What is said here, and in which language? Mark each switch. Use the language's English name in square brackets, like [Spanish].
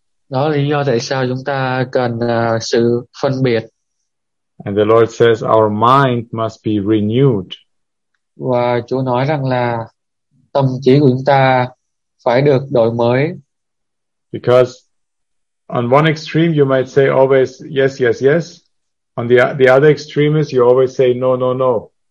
[Vietnamese] Đó là lý do tại sao chúng ta cần sự phân biệt. [English] And the Lord says our mind must be renewed. [Vietnamese] Và Chúa nói rằng là tâm trí của chúng ta phải được đổi mới. [English] Because on one extreme you might say always yes, yes, yes. On the other extreme is you always say no, no, no.